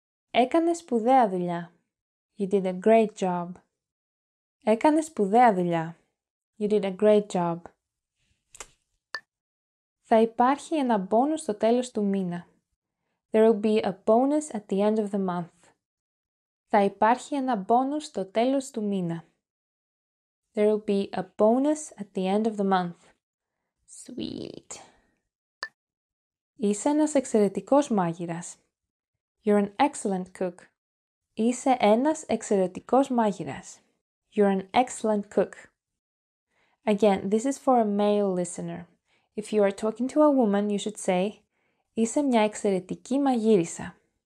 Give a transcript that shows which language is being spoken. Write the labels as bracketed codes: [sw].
[el] Έκανες σπουδαία δουλειά. [en] You did a great job. [el] Έκανες σπουδαία δουλειά. [en] You did a great job. [el] Θα υπάρχει ένα bonus στο τέλος του μήνα. [en] There will be a bonus at the end of the month. [el] Θα υπάρχει ένα bonus στο τέλος του μήνα. [en] There will be a bonus at the end of the month. Sweet. [el] Είσαι ένας εξαιρετικός μάγειρας. [en] You're an excellent cook. [el] Είσαι ένας εξαιρετικός μάγειρας. [en] You're an excellent cook. Again, this is for a male listener. If you are talking to a woman, you should say [el] Είσαι μια εξαιρετική μαγείρισα.